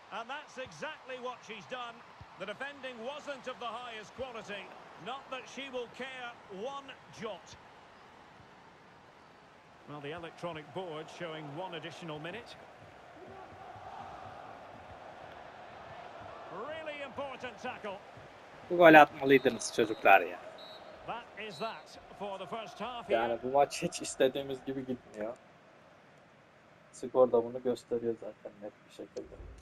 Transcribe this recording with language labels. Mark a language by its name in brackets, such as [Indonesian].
[English] And that's exactly what she's done. The defending wasn't of the highest quality. Not that she will care one jot. Well, the electronic board showing one additional minute. Really important tackle. [Turkish] Bu gol atmalıydınız çocuklar ya. [English] That is that for the first half. [Turkish] Yani bu maç hiç istediğimiz gibi gitmiyor. Skor da bunu gösteriyor zaten net bir şekilde.